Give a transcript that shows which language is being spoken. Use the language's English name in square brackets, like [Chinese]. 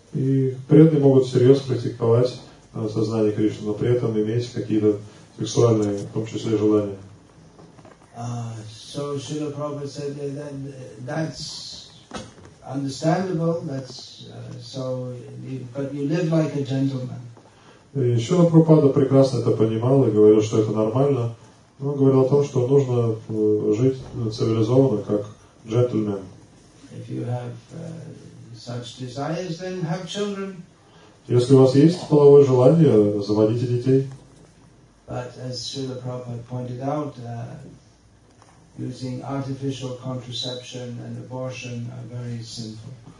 [Russian] И преданные могут серьезно практиковать сознание Кришны, но при этом иметь какие-то сексуальные, в том числе, желания. [English] So Srila Prabhupada said that that's understandable. That's so. But you live like a gentleman. [Russian] Srila Prabhupada прекрасно это понимал и говорил, что это нормально. Но говорил о том, что нужно жить цивилизованно, как джентльмен. [English] If you have such desires, then have children. [Russian] Если у вас есть половое желание, заводите детей. [English] But as Srila Prabhupada pointed out, using artificial contraception and abortion are very sinful.